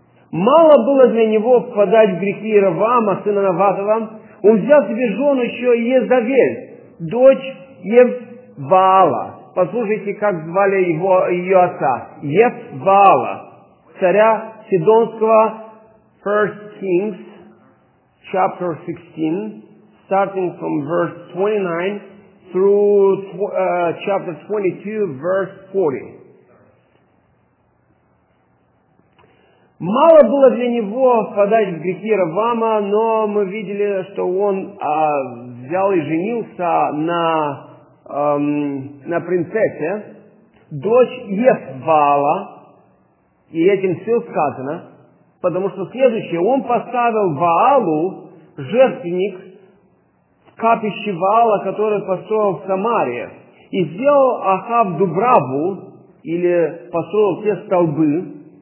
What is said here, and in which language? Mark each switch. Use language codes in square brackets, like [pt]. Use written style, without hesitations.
[ru] Мало было для него впадать в грехи Иеровоама, сына Наватова. Он взял себе жену еще Иезавель, дочь Евбаала». Послушайте, как звали его, ее отца. Евбаала, царя Сидонского. [en] 1 Kings, chapter 16, starting from verse 29 through chapter 22, verse 40. [ru] Мало было для него впадать в грехи Иеровоама, но мы видели, что он взял и женился на принцессе, дочь Евбаала, и этим все сказано, потому что следующее, он поставил Ваалу, жертвенник, в капище Ваала, который построил в Самаре, и сделал Ахав дубраву, или построил все столбы,